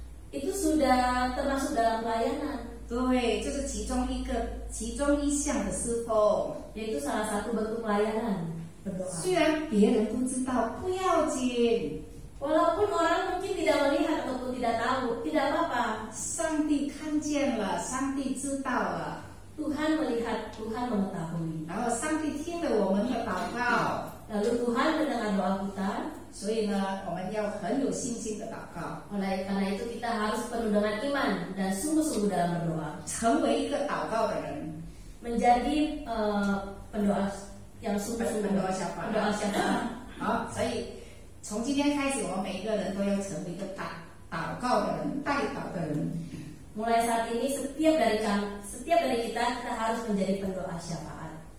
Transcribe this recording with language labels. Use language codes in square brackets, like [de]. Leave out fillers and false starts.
[id] Itu sudah termasuk dalam layanan. [zh] 对，就是其中一个其中一项的侍奉. [id] Yaitu salah satu bentuk layanan. [zh] 虽然别人不知道，不要紧. [id] Walaupun orang mungkin tidak melihat ataupun tidak tahu, tidak apa-apa. [zh] 上帝看见了，上帝知道了. [id] Tuhan melihat, Tuhan mengetahui. [zh] 然后上帝听了我们的祷告. [id] Lalu Tuhan mendengar doa kita. [zh] 所以呢，我们要很有信心的祷告. [id] Oleh karena itu kita harus penuh dengan iman dan sungguh-sungguh dalam berdoa. [zh] 成为一个祷告的人. [id] Menjadi pendoa yang sungguh-sungguh. Pendoa siapa? Pendoa siapa? [zh] 好，所以从今天开始，我们每一个人都要成为一个祷告的人，代祷的人. [id] Mulai saat ini setiap dari kita, kita harus menjadi pendoa syafaat.